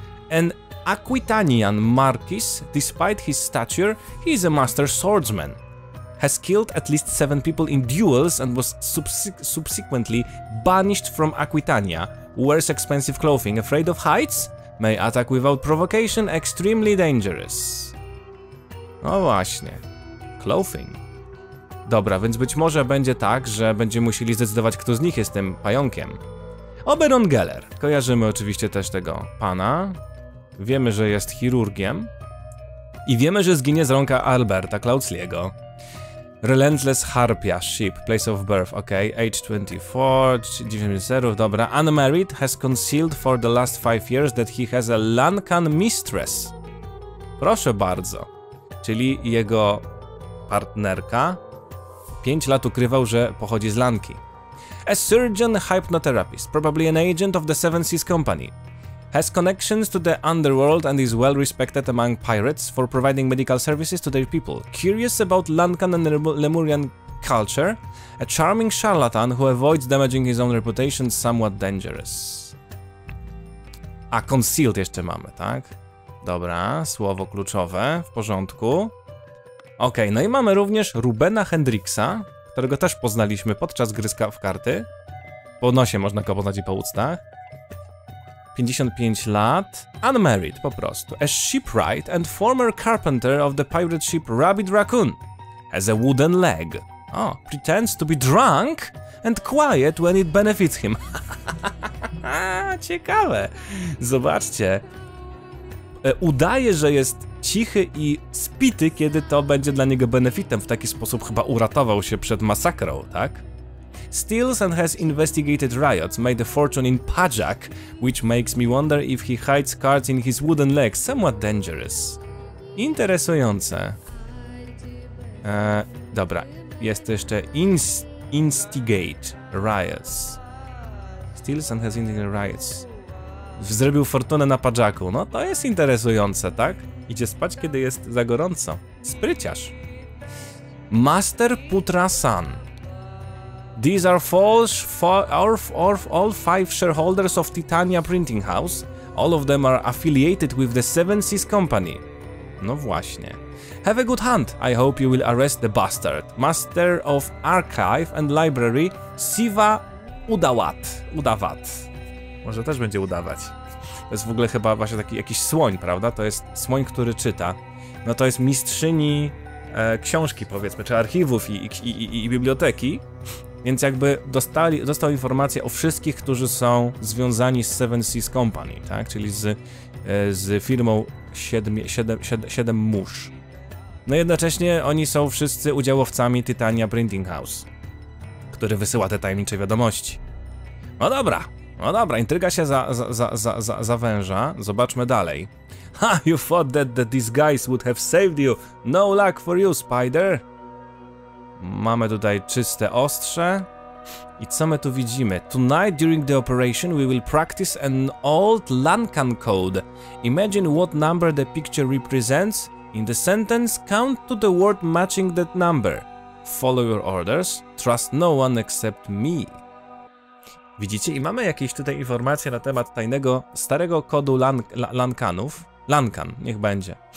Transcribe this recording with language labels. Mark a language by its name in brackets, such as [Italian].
[English] An Aquitanian Marquis, despite his stature, he is a master swordsman. Has killed at least 7 people in duels and was subsequently banished from Aquitania. Wears expensive clothing, afraid of heights? May attack without provocation, extremely dangerous. [Polish] No właśnie. Clothing. Dobra, więc być może będzie tak, że będziemy musieli zdecydować, kto z nich jest tym pająkiem. Oberon Geller. Kojarzymy oczywiście też tego pana. Wiemy, że jest chirurgiem. I wiemy, że zginie z rąka Alberta Klautzliego. [English] Relentless Harpia, ship, place of birth, ok, age 24, 90, [Polish] dobra. [English] Unmarried, has concealed for the last 5 years that he has a Lankan mistress. [Polish] Proszę bardzo. Czyli jego partnerka 5 lat ukrywał, że pochodzi z Lanki. [English] A surgeon hypnotherapist, probably an agent of the Seven Seas Company. Has connections to the underworld and is well respected among pirates for providing medical services to their people. Curious about Lankan and Lemurian culture, a charming charlatan who avoids damaging his own reputation, somewhat dangerous. A concealed [Polish] jeszcze mamy, tak? Dobra, słowo kluczowe, w porządku. Okej, no i mamy również Rubena Hendrixa, którego też poznaliśmy podczas gry w karty. Po nosie można go poznać i po ustach. 55 lat, [English] unmarried [Polish] po prostu, [English] a shipwright and former carpenter of the pirate ship Rabid Raccoon, has a wooden leg, oh, pretends to be drunk and quiet when it benefits him. [Polish] Ciekawe, zobaczcie, udaje, że jest cichy i spity, kiedy to będzie dla niego benefitem, w taki sposób chyba uratował się przed masakrą, tak? [English] Steals and has investigated riots, made a fortune in Pajak, which makes me wonder if he hides cards in his wooden leg, somewhat dangerous. [Polish] Interesujące. Dobra, jest jeszcze [English] instigate riots. Steals and has instigated riots. [Polish] Zrobił fortunę na Pajaku, no to jest interesujące, tak? Idzie spać, kiedy jest za gorąco. Spryciarz. Master Putrasan. [English] These are false all five shareholders of Titania Printing House. All of them are affiliated with the Seven Seas Company. [Polish] No właśnie. [English] Have a good hunt. I hope you will arrest the bastard. Master of Archive and Library Siva Udawat. Udawat. [Polish] Może też będzie udawać. To jest w ogóle chyba właśnie taki jakiś słoń, prawda? To jest słoń, który czyta. No to jest mistrzyni książki, powiedzmy, czy archiwów i biblioteki. Więc jakby dostał informację o wszystkich, którzy są związani z Seven Seas Company, tak? Czyli z firmą Siedem Mórz. No i jednocześnie oni są wszyscy udziałowcami Titania Printing House, który wysyła te tajemnicze wiadomości. No dobra, no dobra, intryga się zawęża. Zobaczmy dalej. [English] Ha, you thought that the disguise would have saved you. No luck for you, Spider. [Polish] Mamy tutaj czyste ostrze. I co my tu widzimy? [English] Tonight during the operation we will practice an old Lankan code. Imagine what number the picture represents. In the sentence, count to the word matching that number. Follow your orders. Trust no one except me. [Polish] Widzicie? I mamy jakieś tutaj informacje na temat tajnego, starego kodu Lankanów. Lankan, niech będzie.